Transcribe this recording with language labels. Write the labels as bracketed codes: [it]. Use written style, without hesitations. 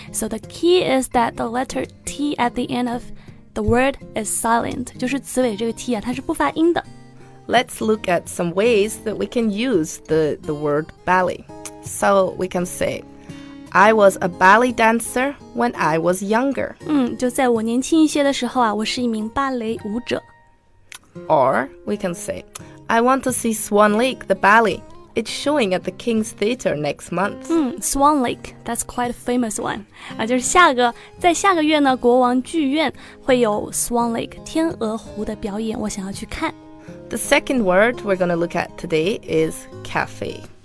[en] So the key is that the letter T at the end of the word is silent. [zh] 就是词尾这个 T 啊，它是不发音的。 [en] Let's look at some ways that we can use the word ballet. So we can say, I was a ballet dancer when I was younger. [zh] 就在我年轻一些的时候啊，我是一名芭蕾舞者。 [en] Or we can say, I want to see Swan Lake, the ballet. It's showing at the King's Theatre next month. [zh] Swan Lake, [en] that's quite a famous one. [zh] 啊，就是下个月呢，国王剧院会有 Swan Lake, 天鹅湖的表演，我想要去看。 [en] The second word we're going to look at today is cafe.